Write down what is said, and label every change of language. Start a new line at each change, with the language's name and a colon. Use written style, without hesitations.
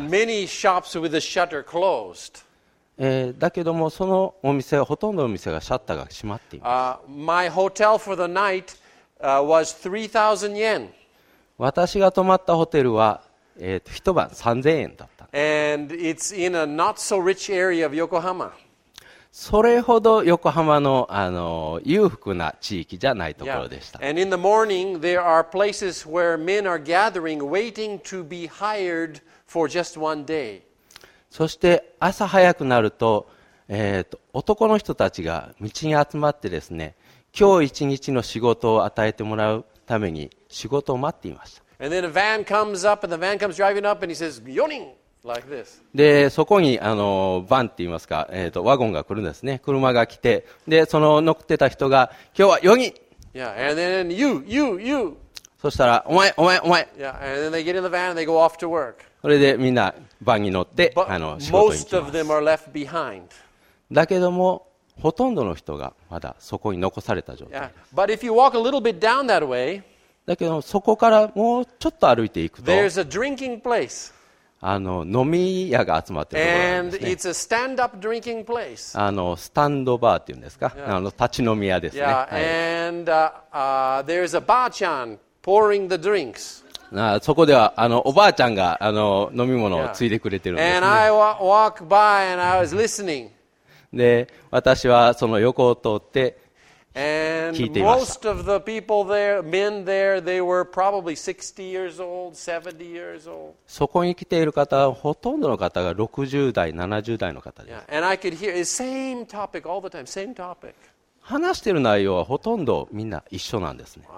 English: And many shops with the shutter closed.
Japanese: だけどもそのお店はほとんどの店がシャッターが閉まっています。
English: My hotel for the night, was 3,000 yen.
Japanese: 私が泊まったホテルは、一晩3,000円だった。
English: And it's in a not so rich area of Yokohama.
Japanese: それほど横浜の、裕福な地域じゃないところでした。
English: Yeah. And in the morning, there are places where men are gathering, waiting to be hired for just one day.
Japanese: そして朝早くなると、男の人たちが道に集まってですね、今日一日の仕事を与えてもらうために仕事を待っていました。
English: And then a van comes up, and the van comes driving up, and he says,
Japanese: Yonin!
English: Like、this.
Japanese: でそこにバンって言いますか、ワゴンが来るんですね。車が来て、でその乗ってた人が今日は4人。
English: Yeah, and then you.
Japanese: そしたらお前。
English: Yeah, and then they get in the van and they go off to work.
Japanese: それでみんなバンに乗って
English: But
Japanese: 仕事に行きます。
English: Most of them are left behind.
Japanese: だけどもほとんどの人がまだそこに残された状態。
English: Yeah, but if you walk a little bit down that way,
Japanese: だけどそこからもうちょっと歩いていくと
English: There's a drinking place.
Japanese: 飲み屋が集まっているところなんですね。
English: And it's a stand-up drinking place.
Japanese: スタンドバーっていうんですか、yeah. 立ち飲み屋ですね。
English: yeah. And, there's a ba-chan pouring the drinks.
Japanese: そこではおばあちゃんが飲み物をついでくれてるんですね。
English: And I walk by and I was listening.
Japanese: で私はその横を通って
English: And most of the people there, men there, they were probably 60 years old, 70 years old.
Japanese: そこに来ている方、ほとんどの方が60代、70代の方です。
English: Yeah. And I could hear the same topic all the time, same topic.
Japanese: 話している内容はほとんどみんな一緒なんですね。